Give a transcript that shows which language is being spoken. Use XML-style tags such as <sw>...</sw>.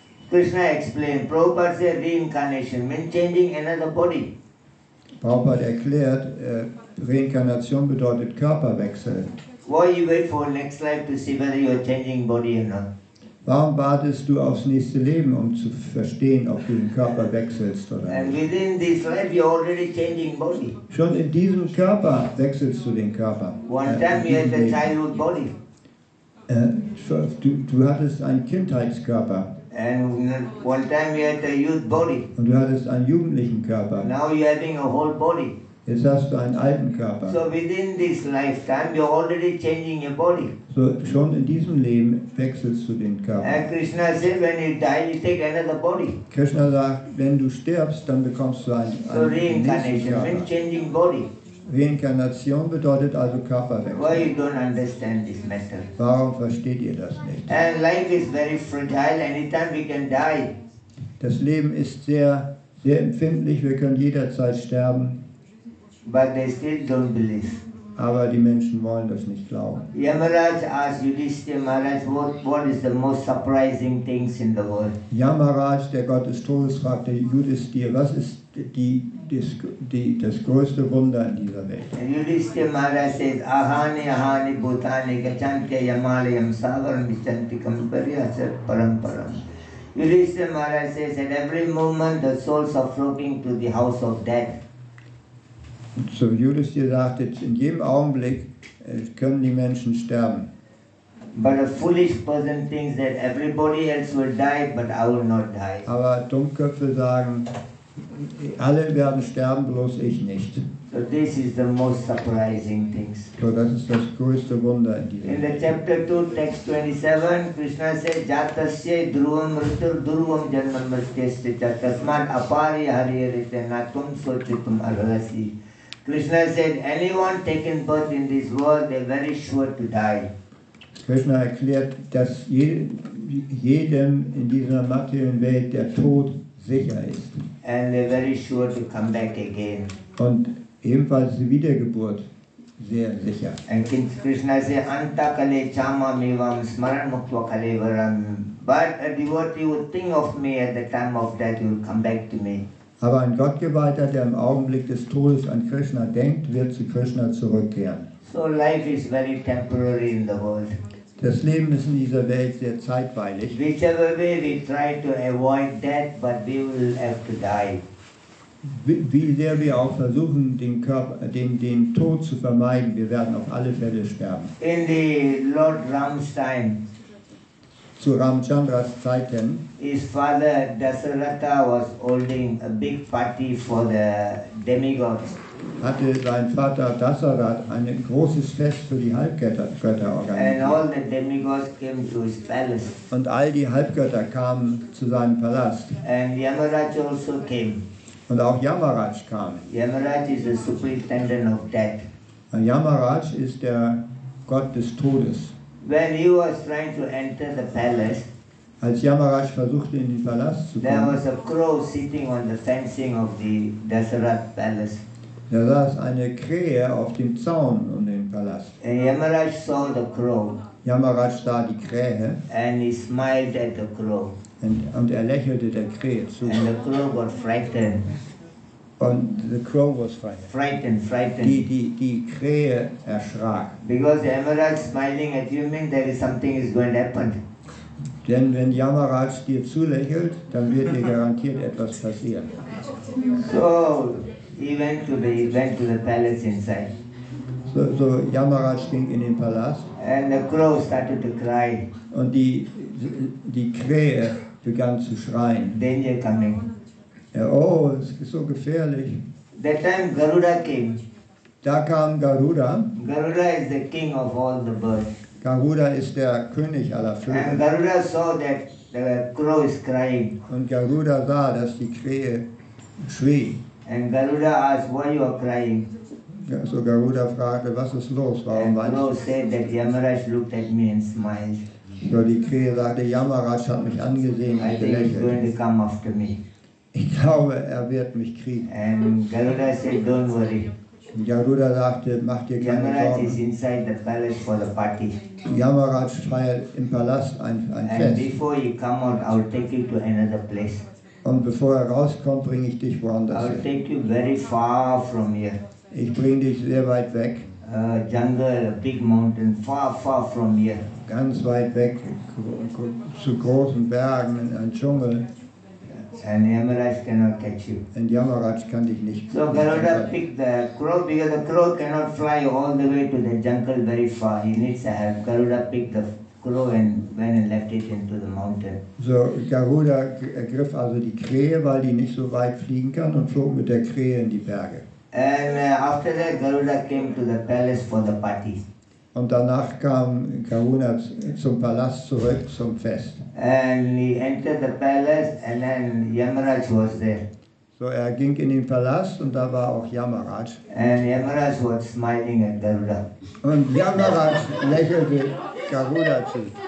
<en>Krishna explained, Prabhupada said reincarnation means changing another body.</en> <de>Prabhupada erklärt, Reinkarnation bedeutet Körperwechsel.</de> <en>Why you wait for next life to see whether you are changing body or not?</en> <de>Warum wartest du aufs nächste Leben, um zu verstehen, ob du den Körper wechselst oder nicht?</de> <en>And within this life you are already changing body.</en> <de>Schon in diesem Körper wechselst du den Körper.</de> <en>One time you had a childhood body.</en> <de>Du hattest einen Kindheitskörper.</de> <en>And one time you had a youth body.</en> <de>Und du hattest einen jugendlichen Körper.</de> <en>Now you're having a whole body.</en> <de>Jetzt hast du einen alten Körper.</de> <en>So within this lifetime you're already changing your body.</en> <de>So schon in diesem Leben wechselst du den Körper.</de> <en>And Krishna said, when you die, you take another body.</en> <de>Krishna sagt, wenn du stirbst, dann bekommst du einen nächsten Körper.</de> <en>So reincarnation means changing body.</en> <de>Reinkarnation bedeutet also Körperwechsel.</de> <en>Why you don't understand this matter?</en> <de>Warum versteht ihr das nicht?</de> <en>And life is very fragile. Anytime we can die.</en> <de>Das Leben ist sehr, sehr empfindlich. Wir können jederzeit sterben.</de> <en>But they still don't believe.</en> <de>Aber die Menschen wollen das nicht glauben.</de> <en>Yamaraj asked Yudhishthira Maharaj, what is the most surprising things in the world?</en> <de>Yamaraj, der Gott des Todes, fragte Yudhishthira, was ist das größte Wunder in dieser Welt?</de> <en>Yudhishthira Maharaj says,</en> <sa>Ahani, Ahani, Bhutani, Gachantya, Yamalayam, Savaram, Vichantikam, Pariyasar, Paramparam.</sa> <en>Yudhishthira Maharaj says, at every moment the souls are flocking to the house of death.</en> <de>So Yudhishthira sagte, in jedem Augenblick können die Menschen sterben.</de> <en>But a foolish person thinks that everybody else will die, but I will not die.</en> <de>Aber Dummköpfe sagen, alle werden sterben, bloß ich nicht.</de> <en>So this is the most surprising things.</en> <de>So das ist das größte Wunder in dieser Welt.</de> <en>In the chapter 2, text 27, Krishna says,</en> <sa>Jatasya dhruvam ritur dhruvam janman mrityasya chakasmat apari hariyarite natum sochitum arhasi.</sa> <en>Krishna said, anyone taking birth in this world, they're very sure to die.</en> <de>Krishna erklärt, dass jedem in dieser materiellen Welt der Tod sicher ist.</de> <en>And they're very sure to come back again.</en> <de>Und ebenfalls die Wiedergeburt sehr sicher.</de> <en>And Krishna said,</en> <sa>anta kale chama mevam smaran muktva kale varam.</sa> <en>But a devotee would think of me at the time of death, he would come back to me.</en> <de>Aber ein Gottgeweihter, der im Augenblick des Todes an Krishna denkt, wird zu Krishna zurückkehren.</de> <en>So life is very temporary in the world.</en> <de>Das Leben ist in dieser Welt sehr zeitweilig.</de> <en>Whichever way we try to avoid death, but we will have to die.</en> <de>Wie sehr wir auch versuchen, den Körper, den Tod zu vermeiden, wir werden auf alle Fälle sterben.</de> <en>In the Lord Ram's time.</en> <de>Zu Ramchandras Zeiten.</de> <en>His father Dasaratha was holding a big party for the demigods.</en> <de>hatte sein Vater Dasarath ein großes Fest für die Halbgötter organisiert.</de> <en>And all the demigods came to his palace.</en> <de>Und all die Halbgötter kamen zu seinem Palast.</de> <en>And Yamaraj also came.</en> <de>Und auch Yamaraj kam.</de> <en>Yamaraj is the superintendent of death.</en> <de>Und Yamaraj ist der Gott des Todes.</de> <en>When he was trying to enter the palace,</en> <de>als Yamaraj versuchte, in den Palast zu kommen,</de> <en>there was a crow sitting on the fencing of the Dasarath palace.</en> <de>Da saß eine Krähe auf dem Zaun um den Palast.</de> <en>And Yamaraj saw the crow.</en> <de>Yamaraj sah die Krähe.</de> <en>And he smiled at the crow.</en> <de>Und er lächelte der Krähe zu.</de> <en>And the crow got frightened.</en> <de>Und</de> <en>the crow was frightened. Frightened.</en> <de>Die Krähe erschrak.</de> <en>Because Yamaraj smiling at you means there is something is going to happen.</en> <de>Denn wenn Yamaraj dir zulächelt, dann wird dir garantiert etwas passieren.</de> <en>So. He went to the palace inside.</en> <de>So Yamaraj ging in den Palast.</de> <en>And the crow started to cry.</en> <de>Und die Krähe begann zu schreien.</de> <en>Danger coming.</en> <de>Ja, oh, es ist so gefährlich.</de> <en>That time Garuda came.</en> <de>Da kam Garuda.</de> <en>Garuda is the king of all the birds.</en> <de>Garuda ist der König aller Vögel.</de> <en>And Garuda saw that the crow is crying.</en> <de>Und Garuda sah, dass die Krähe schrie.</de> <en>And Garuda asked, "Why you are crying?"</en> <de>Ja, so Garuda fragte, was ist los? Warum weinst du?</de> <en>And crow said that Yamaraj looked at me and smiled.</en> <de>So die Krähe sagte, Yamaraj hat mich angesehen und gelächelt.</de> <en>I think he's going to come after me.</en> <de>Ich glaube, er wird mich kriegen.</de> <en>And Garuda said, "Don't worry."</en> <de>Und Garuda sagte, mach dir keine Yamaraj Sorgen.</de> <en>Yamaraj is inside the palace for the party.</en> <de>Yamaraj feiert im Palast ein Fest.</de> <en>And before you come out, I'll take you to another place.</en> <de>Und bevor er rauskommt, bringe ich dich woanders</de> <en>I'll</en> <de>hin.</de> <en>I'll take you very far from here.</en> <de>Ich bringe dich sehr weit weg.</de> <en>Jungle, a big mountain, far, far from here.</en> <de>Ganz weit weg, zu großen Bergen, in einen Dschungel.</de> <en>And Yamaraj cannot catch you.</en> <de>Und Yamaraj kann dich nicht</de> <en>So Garuda picked the crow, because the crow cannot fly all the way to the jungle very far. He needs to help. Garuda picked the crow and went and left it into the mountain.</en> <de>So Garuda ergriff also die Krähe, weil die nicht so weit fliegen kann, und flog mit der Krähe in die Berge.</de> <en>And after that, Garuda came to the palace for the party.</en> <de>Und danach kam Garuda zum Palast zurück zum Fest.</de> <en>And he entered the palace, and then Yamaraj was there.</en> <de>So er ging in den Palast und da war auch Yamaraj.</de> <en>And Yamaraj was smiling at Garuda.</en> <de>Und Yamaraj lächelte Garuda zu.</de>